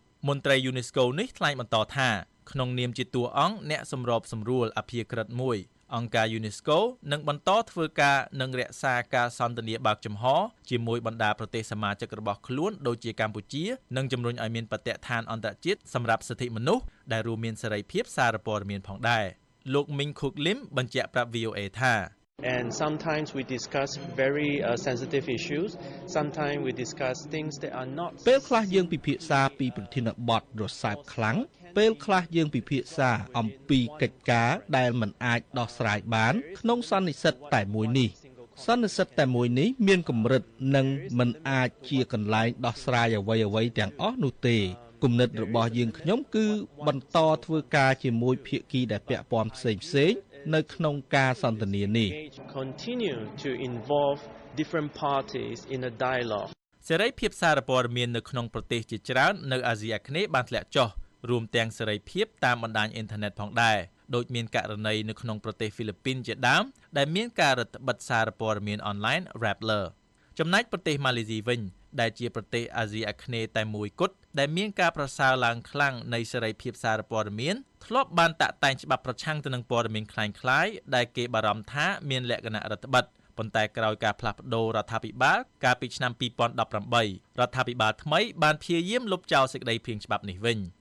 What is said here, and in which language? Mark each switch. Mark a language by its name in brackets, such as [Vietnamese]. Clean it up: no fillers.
[Khmer] មន្ត្រី UNESCO នេះថ្លែងបន្តថាក្នុងនាមជាតួអង្គអ្នកសម្របសម្រួលអភិក្រិតមួយអង្គការ UNESCO នឹងបន្តធ្វើការនឹងរក្សាការសន្តិភាពបើកចំហជាមួយបណ្ដាប្រទេសសមាជិករបស់ខ្លួនដូចជាកម្ពុជានិងជំរុញឲ្យមានបតិឋានអន្តរជាតិសម្រាប់សិទ្ធិមនុស្សដែលរួមមានសេរីភាពសារព័ត៌មានផងដែរលោក Ming Khuk Lim បញ្ជាក់ប្រាប់ VOA ថា [English] And sometimes we discuss very sensitive issues. Sometimes we discuss things that are not. [Khmer] ពេលខ្លះយើងពិភាក្សាពីប្រធានបទរសើបខ្លាំងពេលខ្លះយើងពិភាក្សាអំពីកិច្ចការដែលមិនអាចដោះស្រាយបានក្នុងសន្និសីទតែមួយនេះសន្និសីទតែមួយនេះមានកម្រិតនិងមិនអាចជាកន្លែងដោះស្រាយអ្វីទាំងអស់នោះទេគំនិតរបស់យើងខ្ញុំគឺបន្តធ្វើការជាមួយភាគីដែលពាក់ព័ន្ធផ្សេងៗនៅក្នុងការសន្ទនានេះ [English] continue to involve different parties in a dialogue [Khmer] សេរីភាពសារព័ត៌មាននៅក្នុងប្រទេសជាច្រើននៅអាស៊ីអាគ្នេយ៍បានធ្លាក់ចុះរួមទាំងសេរីភាពតាមបណ្ដាញអ៊ីនធឺណិតផងដែរដូចមានករណីនៅក្នុងប្រទេសហ្វីលីពីនជាដើមដែលមានការរឹតបន្តឹងសារព័ត៌មានអនឡាញ Rappler ចំណែកប្រទេសម៉ាឡេស៊ីវិញដែលជាប្រទេសអាស៊ីអាគ្នេយ៍តែមួយគត់ដែលមានការប្រសើរឡើងខ្លាំងនៃសេរីភាពសារព័ត៌មានធ្លាប់បានតាក់តែងច្បាប់ប្រឆាំងទៅនឹងព័ត៌មានក្លែងក្លាយដែលគេបារម្ភថាមានលក្ខណៈរដ្ឋបិទប៉ុន្តែក្រោយការផ្លាស់ប្ដូររដ្ឋាភិបាលកាលពីឆ្នាំ2018រដ្ឋាភិបាលថ្មីបានព្យាយាមលុបចោលសេចក្តីភាងច្បាប់នេះវិញ